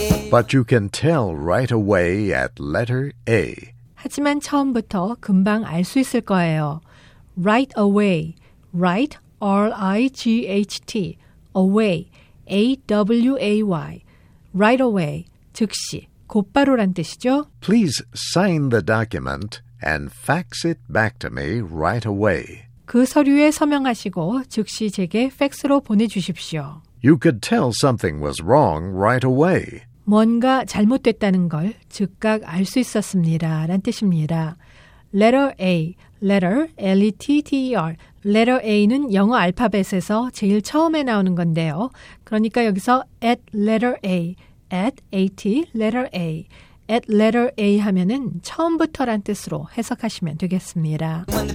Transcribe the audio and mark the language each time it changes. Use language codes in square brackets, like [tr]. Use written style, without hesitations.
[en] But you can tell right away at letter A. [ko] 하지만 처음부터 금방 알 수 있을 거예요. [en] Right away. Right, R-I-G-H-T. Away, A-W-A-Y. [ko] Right away, 즉시, 곧바로란 뜻이죠. [en] Please sign the document and fax it back to me right away. [ko] 그 서류에 서명하시고 즉시 제게 팩스로 보내주십시오. [en] You could tell something was wrong right away. [ko] 뭔가 잘못됐다는 걸 즉각 알 수 있었습니다. 라는 뜻입니다. [en] Letter A, letter, L-E-T-T-E-R. [ko] Letter A는 영어 알파벳에서 제일 처음에 나오는 건데요. 그러니까 여기서 [en] at letter A, at A-T, letter A. [ko] At letter A 하면은 처음부터란 뜻으로 해석하시면 되겠습니다.